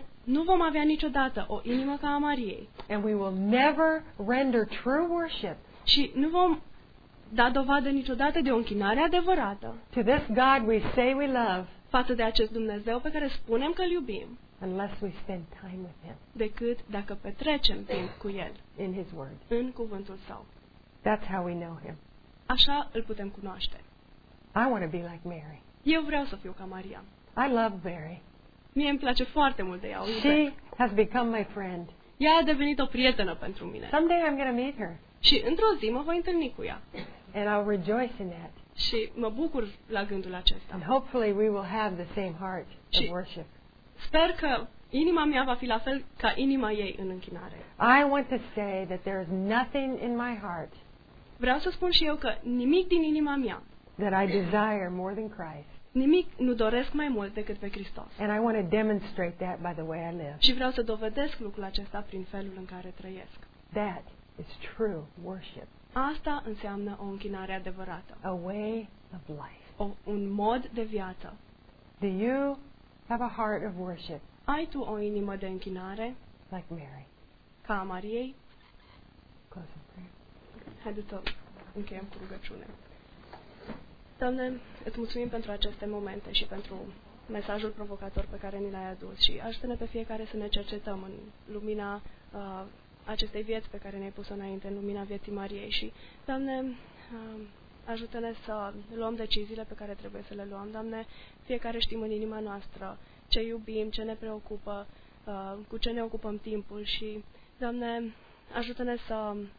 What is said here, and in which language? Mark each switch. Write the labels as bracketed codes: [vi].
[ro] Nu vom avea niciodată o inimă ca a Mariei. [en] And we will never render true worship. [ro] Și nu vom da dovadă niciodată de o închinare adevărată. [en] To this God we say we love. [ro] Față de acest Dumnezeu pe care spunem că-l iubim. [en] Unless we spend time with him. [ro] Decât dacă petrecem timp cu el. [en] In his word. [ro] În cuvântul său. [en] That's how we know him. [ro] Așa îl putem cunoaște. [en] I want to be like Mary. [ro] Eu vreau să fiu ca Maria. [en] I love Mary. [ro] Mie îmi place foarte mult de ea. [en] She has become my friend. [ro] Ea a devenit o prietenă pentru mine. [en] Someday I'm going to meet her. [ro] Și într-o zi mă voi întâlni cu ea. [en] And I'll rejoice in that. [ro] Și mă bucur la gândul acesta. [en] And hopefully we will have the same heart of worship. [ro] Sper că inima mea va fi la fel ca inima ei în închinare. [en] I want to say that there is nothing in my heart. [ro] Vreau să spun și eu că nimic din inima mea. [en] That I desire more than Christ. [ro] Nimic nu doresc mai mult decât pe Hristos. [en] And I want to demonstrate that by the way I live. [ro] Și vreau să dovedesc lucrul acesta prin felul în care trăiesc. [en] That is true worship. [ro] Asta înseamnă o închinare adevărată. [en] A way of life. [ro] Un mod de viață. [en] Do you have a heart of worship? [ro] Ai tu o inimă de închinare? [en] Like Mary. [ro] Ca a Mariei? [en] Close in prayer. [ro] Haideți să încheiem cu rugăciune. Doamne, îți mulțumim pentru aceste momente și pentru mesajul provocator pe care ni l-ai adus și ajută-ne pe fiecare să ne cercetăm în lumina acestei vieți pe care ne-ai pus-o înainte, în lumina vieții Mariei și, Doamne, ajută-ne să luăm deciziile pe care trebuie să le luăm, Doamne, fiecare știm în inima noastră ce iubim, ce ne preocupă, cu ce ne ocupăm timpul și, Doamne, ajută-ne să